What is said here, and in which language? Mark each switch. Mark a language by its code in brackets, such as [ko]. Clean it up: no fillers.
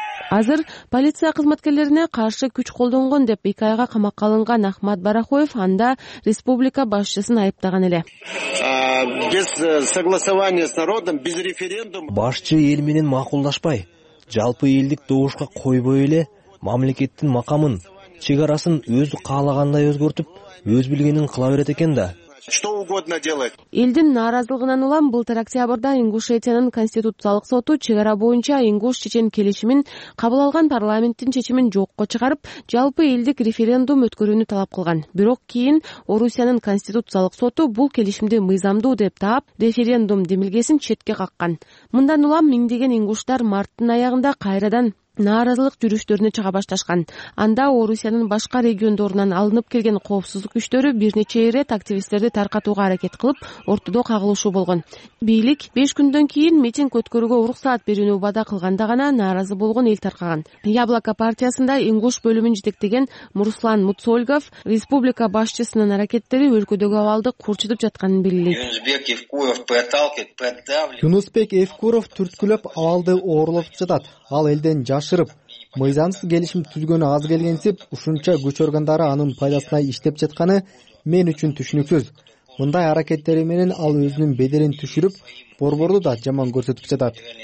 [ky] Азыр полиция кызматкерлерине каршы күч колдонгон деп 2 айга камакка алынган Ахмат Барахоев анда республика башчысын айыптаган эле. [ru] Без согласования с народом, без референдума. [ky] Башчы эл менен макулдашпай, жалпы элдик добушка койбой эле мамлекеттин макамын, чек арасын өзү каалагандай өзгөртүп, өз билгенин кыла берет экен да. [ru] Что угодно делать. [ky] Элдин нааразылыгынан улам былтыр октябрда Ингушетиянын конституциялык соту чек ара боюнча ингуш чечен келишимин кабыл алган парламенттин чечимин жокко чыгарып, жалпы элдик референдум өткөрүүнү талап кылган. Бирок кийин Орусиянын конституциялык соту бул келишимди мыйзамдуу деп таап, референдум демилгесин четке каккан. Мындан улам миңдеген ингуштар марттын аягында кайрадан нааразылык жүрүштөрүнө чыга башташкан. Анда Орусиянын башка региондорунан алынып келген коопсуздук күчтөрү бир нече ирет активисттерди таркатууга аракет кылып, ортодо кагылышуу болгон. Бийлик 5 күндөн кийин митинг өткөрүүгө уруксаат берүүнү убада кылганда гана нааразы болгон эл таркаган. Яблоко партиясында ингуш бөлүмүн жетектеген Мурслан Муцольгов республика башчысынын аракеттери өлкөдөгү абалды курчутуп жатканын билдирет. [ru] Юнусбек Евкуров подталкивает. [ky] Юнусбек Евкуров түрткүлөп абалды оорлотуп жатат. Ал элден жашырып, мыйзамсыз келишим түзгөнү аз келгенсип, ушунча күч органдары анын пайдасына иштеп жатканы мен үчүн түшүнүксүз. Мындай аракеттери менен ал өзүнүн бедерин түшүрүп, борборду да жаман көрсөтүп жатат.